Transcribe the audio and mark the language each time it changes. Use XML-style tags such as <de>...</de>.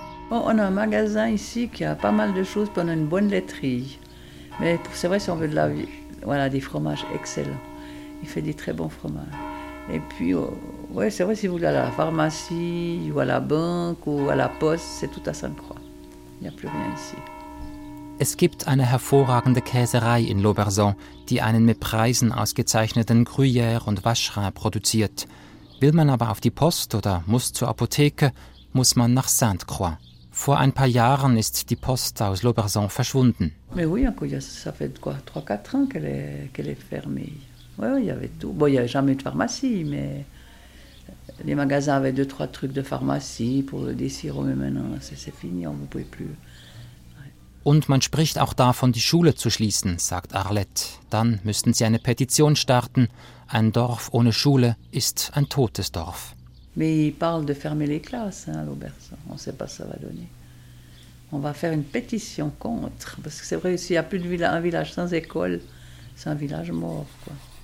<fr>Bon, on a un magasin ici qui a pas mal de choses, puis on a une bonne laiterie. Mais c'est vrai, si on veut de la vie, voilà, des fromages excellents. Il fait des très bons fromages. Et puis, ouais, c'est vrai, si vous voulez aller à la pharmacie, ou à la banque, ou à la poste, c'est tout à Sainte-Croix. Il n'y a plus rien ici.</fr> <de>Es gibt eine hervorragende Käserei in Lauberzon, die einen mit Preisen ausgezeichneten Gruyère und Vacherin produziert. Will man aber auf die Post oder muss zur Apotheke, muss man nach Sainte-Croix. Vor ein paar Jahren ist die Post aus Lauberzon verschwunden.</de> <fr>Mais oui, ça fait quoi, 3-4 ans qu'elle est fermée. Ouais, il y avait tout. Bon, il y avait jamais de pharmacie, mais les magasins avaient 2-3 trucs de pharmacie pour des sirops, mais maintenant c'est fini, on ne pouvait plus.</fr> <de>Und man spricht auch davon, die Schule zu schließen, sagt Arlette. Dann müssten sie eine Petition starten. Ein Dorf ohne Schule ist ein totes Dorf.</de> <fr>Mais ils parlent de fermer les classes, hein, à l'Auberzon. On ne sait pas ce que ça va donner. On va faire une pétition contre. Parce que c'est vrai, s'il n'y a plus de un village sans école, c'est un village mort, quoi.</fr>